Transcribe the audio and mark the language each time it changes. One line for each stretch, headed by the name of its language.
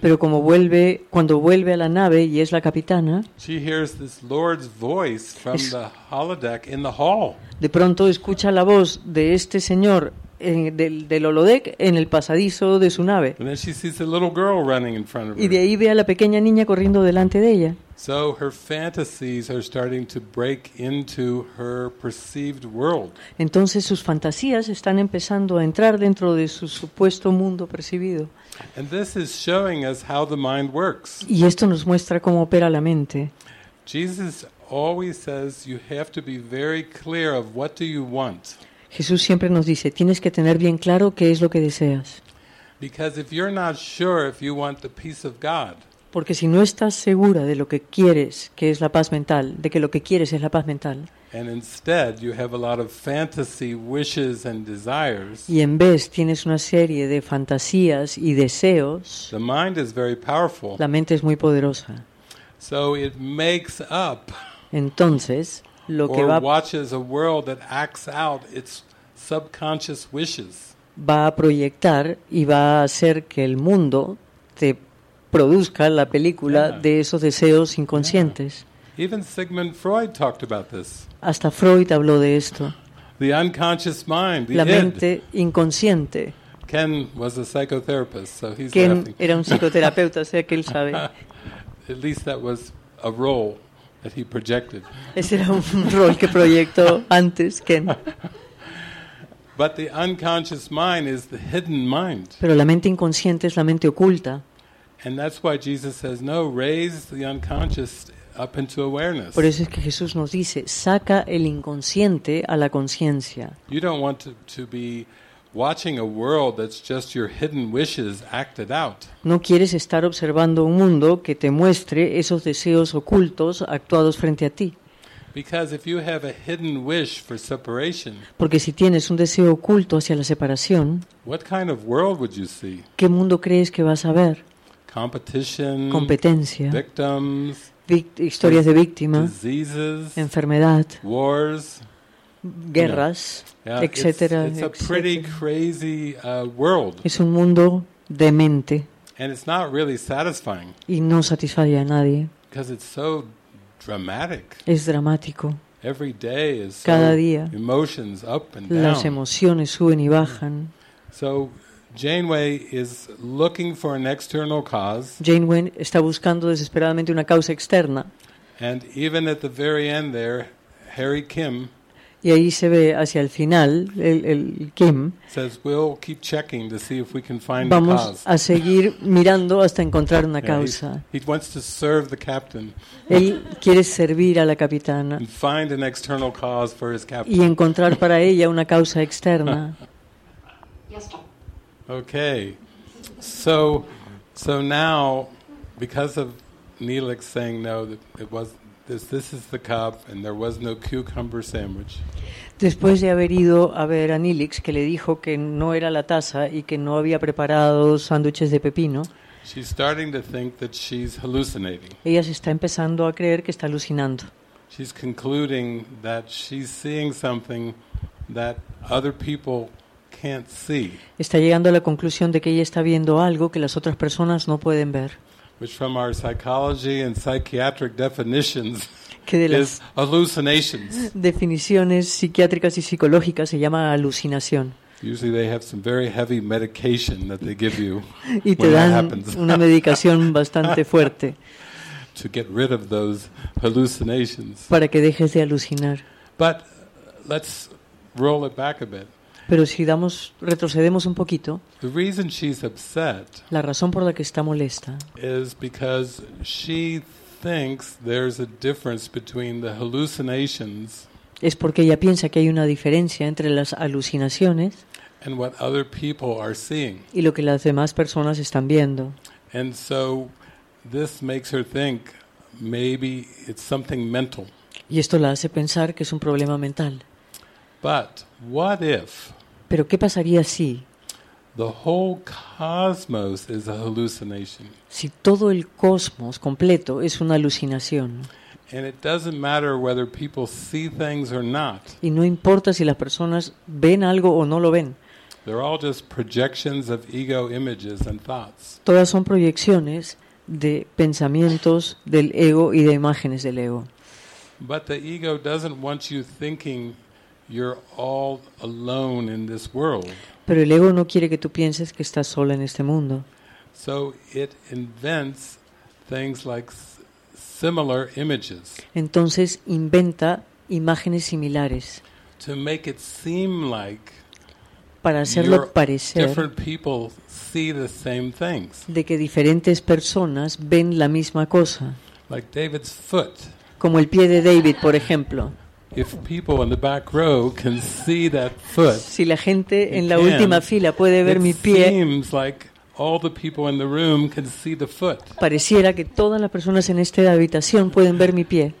Spanish: pero como vuelve, cuando vuelve a la nave y es la capitana,
English: she hears this Lord's voice from the holodeck in the hall.
Spanish: De pronto escucha la voz de este señor del holodeck en el pasadizo de su nave.
English: And then she sees a little girl running in front of her.
Spanish: Y de ahí ve a la pequeña niña corriendo delante de ella.
English: So her fantasies are starting to break into her perceived world.
Spanish: Entonces sus fantasías están empezando a entrar dentro de su supuesto mundo percibido.
English: And this is showing us how the mind works.
Spanish: Y esto nos muestra cómo opera la mente.
English: Jesus always says you have to be very clear of what do you want.
Spanish: Jesús siempre nos dice, tienes que tener bien claro qué es lo que deseas.
English: Because if you're not sure if you want the peace of God.
Spanish: Porque si no estás segura de lo que quieres, que es la paz mental, de que lo que quieres es la paz mental, y en vez tienes una serie de fantasías y deseos,
English: the mind is very powerful.
Spanish: La mente es muy poderosa.
English: So it makes up,
Spanish: entonces, lo que va,
English: watches a world that acts out its subconscious wishes.
Spanish: Va a proyectar y va a hacer que el mundo te produzca la película de esos deseos inconscientes.
English: Yeah. Even Sigmund Freud talked about this.
Spanish: Hasta Freud habló de esto.
English: The unconscious mind,
Spanish: la mente inconsciente.
English: Ken was a psychotherapist, so he's Ken laughing.
Spanish: Era un psicoterapeuta, o sea que él sabe.
English: At least that was a role that he projected.
Spanish: Ese era un rol que proyectó antes Ken.
English: But the unconscious mind is the hidden mind.
Spanish: Pero la mente inconsciente es la mente oculta.
English: And that's why Jesus says, no, raise the unconscious up into awareness.
Spanish: Por eso es que Jesús nos dice, saca el inconsciente a la conciencia.
English: You don't want to be watching a world that's just your hidden wishes acted out.
Spanish: No quieres estar observando un mundo que te muestre esos deseos ocultos actuados frente a ti.
English: Because if you have a hidden wish for separation,
Spanish: porque si tienes un deseo oculto hacia la separación,
English: what kind of world would you see?
Spanish: ¿Qué mundo crees que vas a ver?
English: Competition,
Spanish: competencia,
English: victims,
Spanish: historias de víctimas,
English: diseases,
Spanish: enfermedad,
English: wars,
Spanish: guerras, yeah, etcétera,
English: it's a pretty crazy world.
Spanish: Es un mundo demente.
English: And it's not really satisfying.
Spanish: Y no satisface a nadie.
English: Because it's so dramatic.
Spanish: Es dramático.
English: Every day is
Spanish: cada día.
English: So emotions up and
Spanish: down. Las emociones suben y bajan.
English: So Janeway is looking for an external cause.
Spanish: Janeway está buscando desesperadamente una causa externa.
English: And even at the very end there, Harry Kim.
Spanish: Y ahí se ve hacia el final el Kim.
English: Says we'll keep checking to see if we can find
Spanish: vamos
English: the cause.
Spanish: Vamos a seguir mirando hasta encontrar una causa.
English: Yeah, he wants to serve the captain.
Spanish: Él quiere servir a la capitana.
English: And find an external cause for his captain.
Spanish: Y encontrar para ella una causa externa.
English: Okay. So now because of Neelix saying no that it was this is the cup and there was no cucumber sandwich.
Spanish: Después de haber ido a ver a Neelix que le dijo que no era la taza y que no había preparado sándwiches de pepino.
English: She's starting to think that she's hallucinating.
Spanish: Ella se está empezando a creer que está alucinando.
English: She's concluding that she's seeing something that other people can't see.
Spanish: Está llegando a la conclusión de que ella está viendo algo que las otras personas no pueden ver.
English: Which from our psychology and psychiatric definitions
Spanish: que de las
English: is hallucinations.
Spanish: Definiciones psiquiátricas y psicológicas se llama alucinación.
English: Usually they have some very heavy medication that they give you
Spanish: y te
English: when
Spanish: dan
English: that happens.
Spanish: Una medicación bastante fuerte
English: to get rid of those hallucinations.
Spanish: Para que dejes de alucinar.
English: But let's roll it back a bit.
Spanish: Pero si retrocedemos un poquito,
English: the reason she's upset,
Spanish: la razón por la que está molesta
English: is because she thinks there's a difference between the hallucinations,
Spanish: es porque ella piensa que hay una diferencia entre las alucinaciones
English: and what other people are seeing.
Spanish: Y lo que las demás personas están viendo.
English: And so this makes her think maybe it's something mental.
Spanish: Y esto la hace pensar que es un problema mental.
English: But what if?
Spanish: Pero ¿qué pasaría si?
English: The whole cosmos is a hallucination.
Spanish: Si todo el cosmos completo es una alucinación.
English: And it doesn't matter whether people see things or not.
Spanish: Y no importa si las personas ven algo o no lo ven.
English: They're all just projections of ego images and thoughts.
Spanish: Todas son proyecciones de pensamientos del ego y de imágenes del ego.
English: But the ego doesn't want you thinking you're all alone in this world.
Spanish: Pero el ego no quiere que tú pienses que estás sola en este mundo.
English: So it invents things like similar images.
Spanish: Entonces inventa imágenes similares.
English: To make it seem like
Spanish: para hacerlo parecer
English: different people see the same things.
Spanish: De que diferentes personas ven la misma cosa.
English: Like David's foot.
Spanish: Como el pie de David, por ejemplo.
English: If people in the back row can see that foot,
Spanish: si la gente en la última fila puede ver mi pie,
English: it seems like all the people in the room can see the foot.
Spanish: Pareciera que todas las personas en esta habitación pueden ver mi pie.